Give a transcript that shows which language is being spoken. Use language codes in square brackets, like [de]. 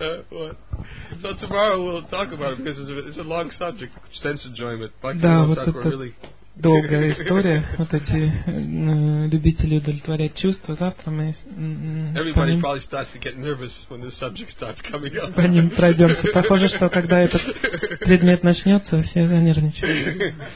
[en] So tomorrow we'll talk about it because it's a long subject, sense enjoyment. [ru] Да, вот это долгая история. Вот эти любители удовлетворять чувства. Завтра мы. [en] Everybody probably starts to get nervous when this subject starts coming up. [ru] По ним пройдемся. Похоже, что когда этот предмет начнется, все занервничают.